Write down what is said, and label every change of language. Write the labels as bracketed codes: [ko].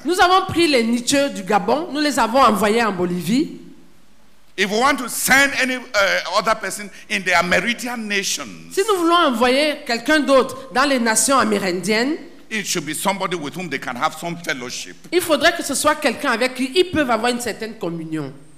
[fr] Nous avons pris les nicheurs du Gabon, nous les avons envoyés en Bolivie. [en] If we want to send any other person in their Amerindian nations, [fr] si nous voulons envoyer quelqu'un d'autre dans les nations amérindiennes, [en] it should be somebody with whom they can have some fellowship. [fr] Il faudrait que ce soit quelqu'un avec qui ils peuvent avoir une certaine communion.